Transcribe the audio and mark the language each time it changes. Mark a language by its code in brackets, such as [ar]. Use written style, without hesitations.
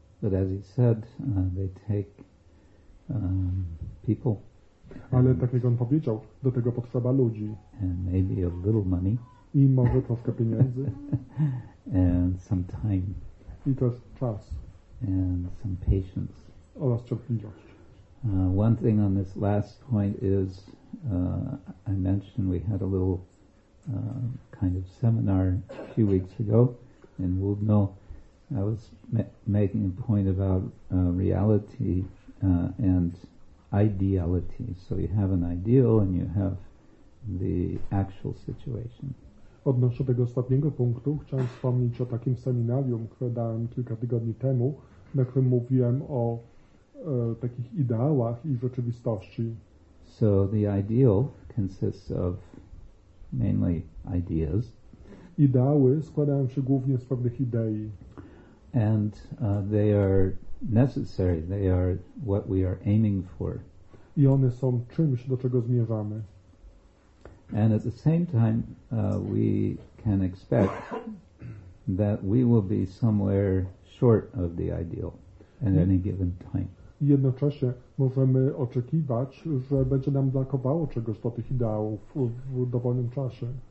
[en] But as he said, they take people. [pl] Ale tak jak on powiedział, do tego potrzeba ludzi. [en] And maybe a little money. [pl] I może troszkę pieniędzy. [en] And some time. [pl] I też czas. [en] And some patience. [pl] Oraz cierpliwość. [en] One thing on this last point is, I mentioned we had a little kind of seminar a few weeks ago in Łódno. I was making a point about reality and ideality. So you have an ideal and you have the actual situation. [pl] Odnośnie tego ostatniego punktu, chciałem wspomnieć o takim seminarium, które dałem kilka tygodni temu, na którym mówiłem o takich ideałach i rzeczywistości. [en] So the ideal consists of mainly ideas. [pl] Ideały składają się głównie z pewnych idei. [en] And they are necessary. They are what we are aiming for. [pl] I one są czymś, do czego zmierzamy. [en] And at the same time, we can expect that we will be somewhere short of the ideal at any given time. [pl] Jednocześnie możemy oczekiwać, że będzie nam brakowało czegoś do tych ideałów w dowolnym czasie.